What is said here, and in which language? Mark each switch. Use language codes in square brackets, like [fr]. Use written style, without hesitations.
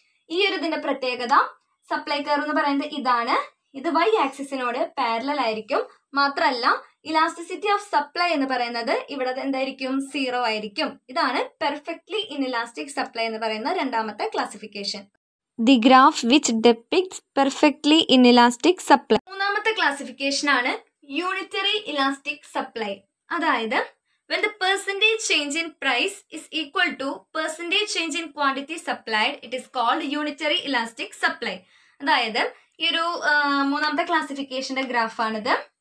[ml] ഈ ഒരു ഇതിന്റെ പ്രത്യേകത സപ്ലൈ കർവ് എന്ന് പറയുന്നത് ഇതാണ്. ഇത് വൈ ആക്സിസിനോട് പാരലൽ ആയിരിക്കും. മാത്രമല്ല ഇലാസ്റ്റിസിറ്റി ഓഫ് സപ്ലൈ എന്ന് പറയുന്നത് ഇവിടെ എന്തായിരിക്കും, 0 ആയിരിക്കും. ഇതാണ് പെർഫെക്ട്ലി ഇൻഇലാസ്റ്റിക് സപ്ലൈ എന്ന് പറയുന്ന രണ്ടാമത്തെ classification. [en] The graph which depicts perfectly inelastic supply. [ml] മൂന്നാമത്തെ ക്ലാസിഫിക്കേഷൻ ആണ് യൂണിറ്ററി ഇലാസ്റ്റിക് സപ്ലൈ. അതായത് [en] When the percentage change in price is equal to percentage change in quantity supplied it is called unitary elastic supply. [ml] അതായത് ഈ ഒരു മൂന്നാമത്തെ ക്ലാസിഫിക്കേഷന്റെ ഗ്രാഫാണിത്.